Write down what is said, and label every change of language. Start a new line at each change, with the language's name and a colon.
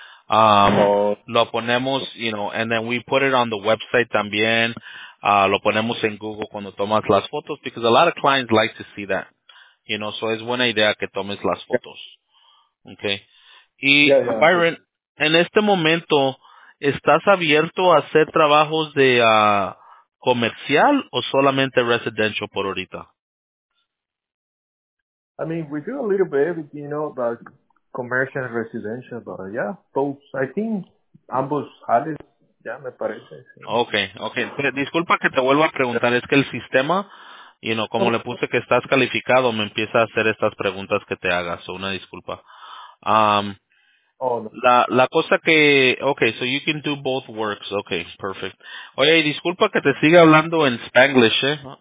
English: Lo ponemos, you know, and then we put it on the website
Spanish: también, lo ponemos en Google cuando tomas las fotos,
English: because a lot of clients like to see that.
Spanish: Y you know, so es buena idea que tomes las fotos. Okay. Y Byron, en este momento, ¿estás abierto a hacer trabajos de comercial o solamente residential por ahorita?
English: I mean, we do a little bit, you know, about commercial and residential, but yeah, both, I think,
Spanish: ambos áreas, ya me parece. Okay. Disculpa que te vuelva a preguntar, es que el sistema, y you know, como le puse que estás calificado, me empieza a hacer estas preguntas que te hagas. So una disculpa. La cosa que,
English: okay, so you can do both works. Okay, perfect.
Spanish: Oye, y disculpa que te siga hablando en Spanglish, ¿eh?